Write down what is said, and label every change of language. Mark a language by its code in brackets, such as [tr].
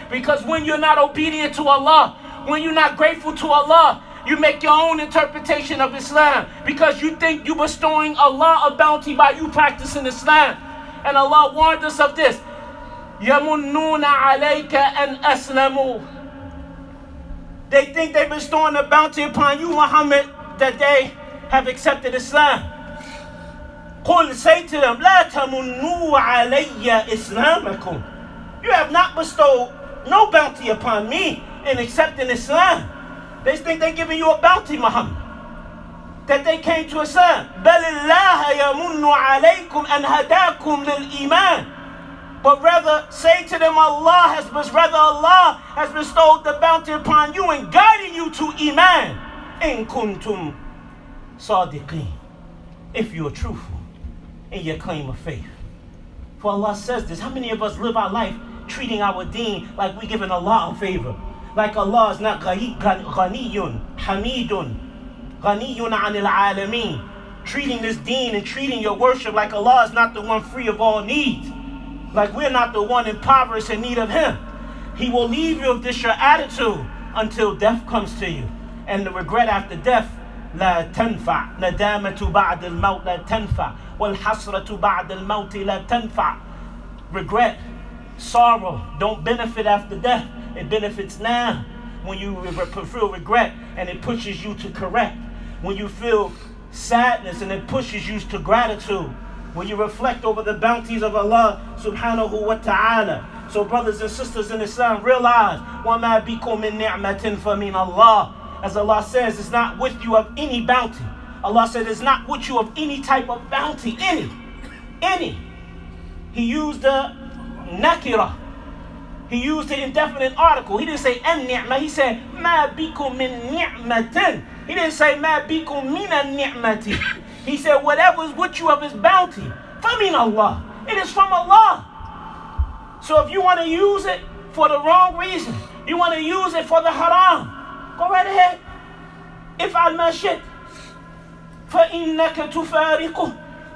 [en] Because when you're not obedient to Allah, when you're not grateful to Allah, you make your own interpretation of Islam because you think you're bestowing Allah a bounty by you practicing Islam. And Allah warned us of this. [ar] يَمُنُّونَ عَلَيْكَ أَنْ أَسْلَمُوا. [en] They think they're bestowing a bounty upon you, Muhammad, that they have accepted Islam. [ar] قُلْ, [en] say to them, [ar] لَا تَمُنُّوا عَلَيَّ إِسْلَامَكُمْ. [en] You have not bestowed no bounty upon me in accepting Islam. They think they're giving you a bounty, Muhammad. That they came to Islam. [ar] بَلِ اللَّهَ يَمُنُّ عَلَيْكُمْ أَنْ هَدَاكُمْ لِلْإِيمَانِ. [en] But rather, say to them, Allah has bestowed the bounty upon you and guiding you to Iman. [ar] إِن كُنْتُمْ صَادِقِينَ. [en] If you are truthful in your claim of faith. For Allah says this. How many of us live our life treating our deen like we're giving Allah a favor? Like Allah is not [ar] غَنِيٌ حَمِيدٌ غَنِيٌ عَنِ الْعَالَمِينَ. [en] Treating this deen and treating your worship like Allah is not the one free of all needs. Like we're not the one impoverished in need of Him. He will leave you if this your attitude until death comes to you. And the regret after death, [ar] لا تنفع. ندامة بعد الموت لا تنفع. والحسرة بعد الموت لا تنفع. [en] Regret, sorrow, don't benefit after death. It benefits now when you feel regret and it pushes you to correct. When you feel sadness and it pushes you to gratitude. When you reflect over the bounties of Allah subhanahu wa ta'ala. So brothers and sisters in Islam, realize, [ar] وَمَا بِكُم مِن نِعْمَةٍ فَمِنَ اللَّهِ. [en] As Allah says, it's not with you of any bounty. Allah said, it's not with you of any type of bounty. Any. He used the nakira. He used the indefinite article. He didn't say, [ar] أَنِّعْمَةٍ. [en] He said, [ar] مَا بِكُم مِن نِعْمَةٍ. [en] He didn't say, [ar] مَا بِكُم مِنَ النِّعْمَةٍ. [en] He said, whatever is with you of His bounty, فَمِنْ Allah. It is from Allah. So if you want to use it for the wrong reason, you want to use it for the haram, go right ahead. [ar] اِفْعَلْ مَا شِئْتَ فَإِنَّكَ تُفَارِقُ.